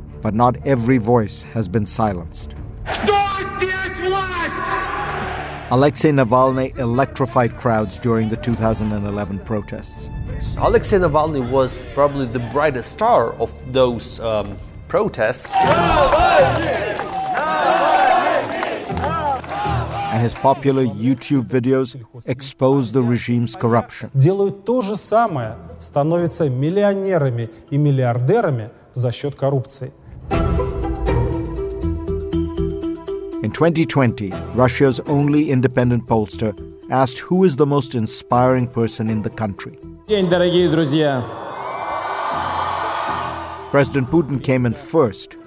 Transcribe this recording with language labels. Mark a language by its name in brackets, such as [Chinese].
[English] But not every voice has been silenced. Alexei Navalny electrified crowds during the 2011 protests. Alexei Navalny was probably the brightest star of those protests. And his popular YouTube videos expose the regime's corruption. [Russian] Делают то же самое, становятся миллионерами и миллиардерами за счет коррупции. [English] In 2020, Russia's only independent pollster asked who is the most inspiring person in the country. [Russian] День, дорогие друзья. [English] President Putin came in first.